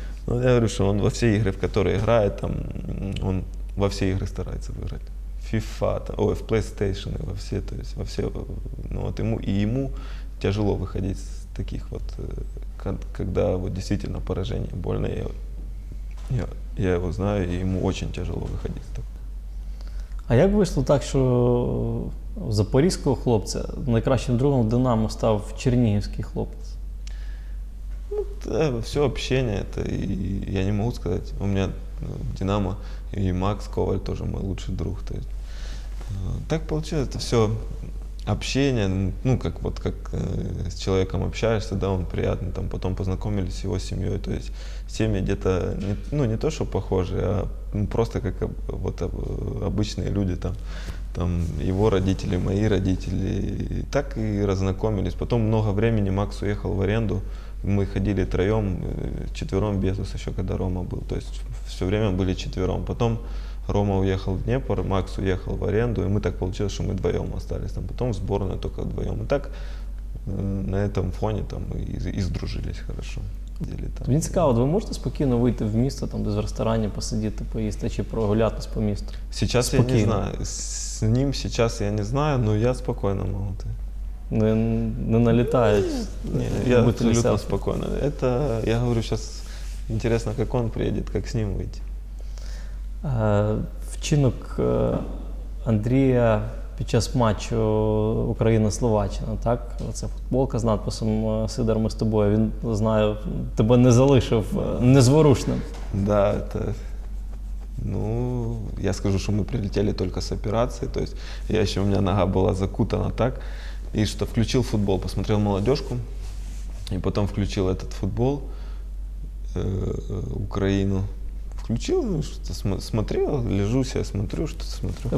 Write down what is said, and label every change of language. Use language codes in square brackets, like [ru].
[ru] Ну, я говорю, что он во все игры, в которые играет, там, он во все игры старается выиграть. FIFA, там, ой, в PlayStation, и во все, то есть, во все, ну, вот ему, и ему тяжело выходить с таких вот, когда вот действительно поражение больно, я его знаю, и ему очень тяжело выходить. Так. [uk] А як вийшло так, що запорізького хлопця найкращим другом Динамо став чернігівський хлопець? Ну, це все общення, це і я не можу сказати. У мене Динамо і Макс Коваль теж мій лучший друг. [ru] То есть, [uk] так виходить, [ru] це все общение, ну, как вот как с человеком общаешься, да, он приятный, там потом познакомились с его семьей, то есть семьи где-то, не, ну, не то, что похожие, а ну, просто как вот обычные люди, там, там его родители, мои родители, и так и разнакомились. Потом много времени Макс уехал в аренду, мы ходили троем, четвером без нас еще, когда Рома был, то есть все время были четвером. Потом Рома уехал в Днепр, Макс уехал в аренду, и мы так получилось, что мы вдвоем остались там. Потом в сборную только вдвоем. И так на этом фоне там и сдружились хорошо. Мне цікаво, вы можете спокойно выйти в місто, там, в ресторане посидеть, поесть, а чи прогулятись по місту? Сейчас спокійно. Я не знаю. С ним сейчас я не знаю, но я спокойно могу. Не налетаешь? Нет, я абсолютно спокойно. Это, я говорю, сейчас интересно, как он приедет, как с ним выйти. [uk] Вчинок Андрія під час матчу Україна-Словаччина, так? Це футболка з надписом «Сидор, ми з тобою». Він, знаю, тебе не залишив незворушним. [ru] Да, это... [uk] Ну, я скажу, що ми прилетіли тільки з операції. Тобто, я ще, у мене нога була закутана так, і що включив футбол, [ru] посмотрел молодежку, [uk] і потім включив этот футбол Україну. [ru] Включил, ну, что-то смотрел, лежу себе, смотрю, что-то смотрю.